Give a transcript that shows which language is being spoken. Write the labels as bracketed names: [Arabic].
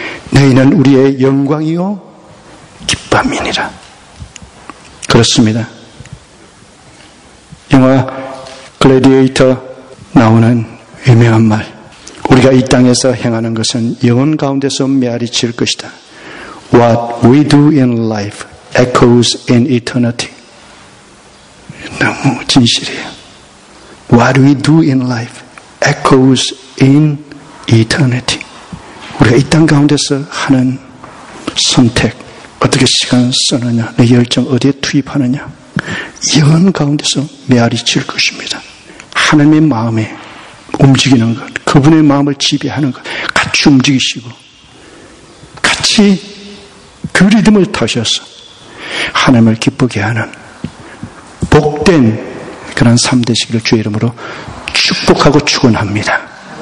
[Korean] 너희는 우리의 영광이요 기쁨이니라. 그렇습니다. 영화 글래디에이터 나오는 유명한 말, 우리가 이 땅에서 행하는 것은 영혼 가운데서 메아리 칠 것이다. [English] What we do in life echoes in eternity. [Korean] 너무 진실이에요. [English] What we do in life echoes in eternity. [Korean] 우리가 이 땅 가운데서 하는 선택, 어떻게 시간 쓰느냐, 내 열정 어디에 투입하느냐, 영혼 가운데서 메아리 칠 것입니다. 하나님의 마음에 움직이는 것, 그분의 마음을 지배하는 것, 같이 움직이시고 같이 그 리듬을 타셔서 하나님을 기쁘게 하는 복된 그런 삶 되시기를 주의 이름으로 축복하고 축원합니다.